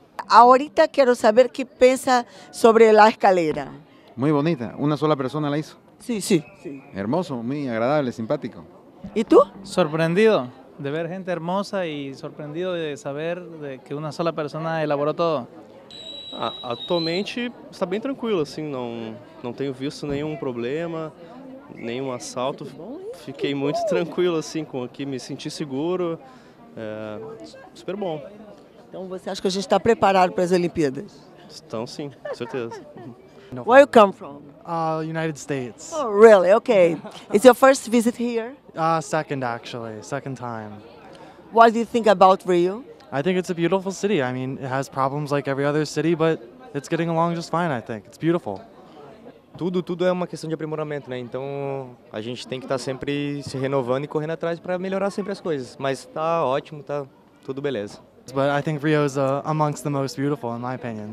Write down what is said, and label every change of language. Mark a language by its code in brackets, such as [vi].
[es] Ahorita quiero saber qué piensa sobre la escalera. Muy bonita. ¿Una sola persona la hizo? Sí, sí. Hermoso, muy agradable, simpático. ¿Y tú? Sorprendido de ver gente hermosa y sorprendido de saber de que una sola persona elaboró todo. [pt] Atualmente está bem tranquilo, assim, não tenho visto nenhum problema, nenhum assalto. Fiquei muito tranquilo, assim, com aqui, me senti seguro. Super bom. Então você acha que a gente está preparado para as Olimpíadas? Estão sim, com certeza. [en] Where you come from? United States. Oh, really? Okay. It's your first visit here? Second actually, second time. What do you think about Rio? I think it's a beautiful city. I mean, it has problems like every other city, but it's getting along just fine, I think. It's beautiful. [pt] Tudo é uma questão de aprimoramento, né? Então, a gente tem que estar sempre se renovando e correndo atrás para melhorar sempre as coisas. Mas tá ótimo, tá tudo beleza. [en] But I think Rio is amongst the most beautiful, in my opinion.